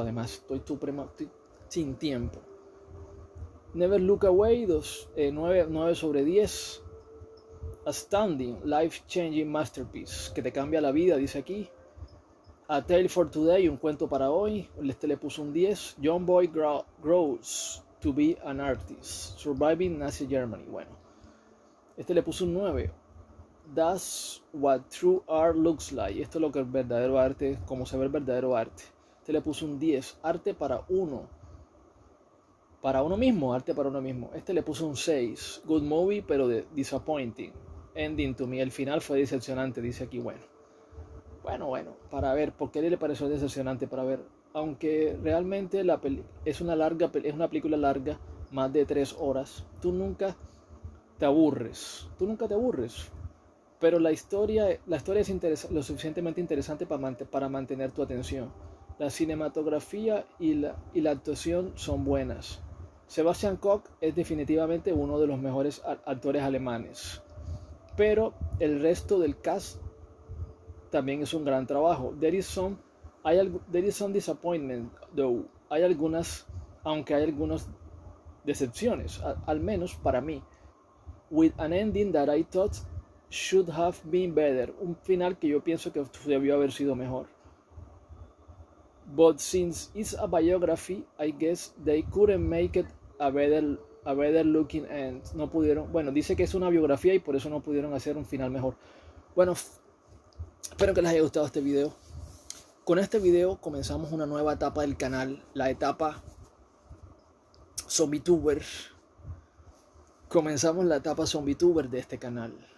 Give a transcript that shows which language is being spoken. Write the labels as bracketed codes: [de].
[es] Además, estoy sin tiempo. Never Look Away, 9 sobre 10. [en] A Standing, Life-Changing Masterpiece, [es] que te cambia la vida, dice aquí. [en] A Tale for Today, [es] un cuento para hoy. Este le puso un 10. [en] Young Boy Grows to Be an Artist. Surviving Nazi Germany. [es] Bueno, este le puso un 9. [en] That's What True Art Looks Like. [es] Esto es lo que es verdadero arte, cómo se ve el verdadero arte. Este le puso un 10. Arte para uno. Para uno mismo, arte para uno mismo. Este le puso un 6. [en] Good movie, [es] pero [en] disappointing. Ending to me, [es] el final fue decepcionante, dice aquí. Bueno, para ver, ¿por qué le pareció decepcionante? Para ver, aunque realmente la peli es una película larga, más de 3 horas, tú nunca te aburres, tú nunca te aburres. Pero la historia es lo suficientemente interesante para mantener tu atención. La cinematografía y la actuación son buenas. Sebastian Koch es definitivamente uno de los mejores actores alemanes. Pero el resto del cast también es un gran trabajo. [en] There is some disappointment, though. [es] Aunque hay algunas decepciones, al menos para mí. [en] With an ending that I thought should have been better. [es] Un final que yo pienso que debió haber sido mejor. [en] But since it's a biography, I guess they couldn't make it a better looking end. [es] No pudieron. Bueno, dice que es una biografía y por eso no pudieron hacer un final mejor. Bueno, espero que les haya gustado este video. Con este video comenzamos una nueva etapa del canal, la etapa ZombieTuber. Comenzamos la etapa ZombieTuber de este canal.